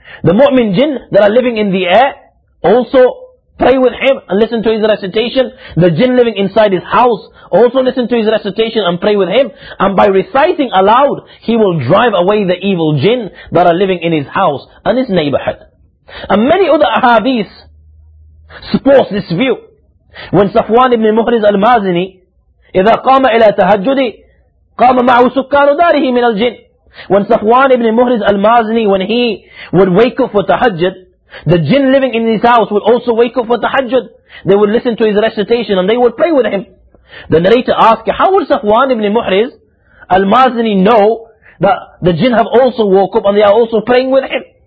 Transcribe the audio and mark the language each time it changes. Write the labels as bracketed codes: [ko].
[en] The mu'min jinn that are living in the air also pray with him and listen to his recitation. The jinn living inside his house also listen to his recitation and pray with him. And by reciting aloud, he will drive away the evil jinn that are living in his house and his neighborhood. And many other ahadith supports this view. [ar] When Safwan ibn Muhriz al-Mazini, إذا قام إلى تهجدي قام معه سكان داره من الجن. [en] When Safwan ibn Muhriz al-Mazni, when he would wake up for tahajjud, the jinn living in his house would also wake up for tahajjud. They would listen to his recitation and they would pray with him. The narrator asked, how would Safwan ibn Muhriz al-Mazni know that the jinn have also woke up and they are also praying with him?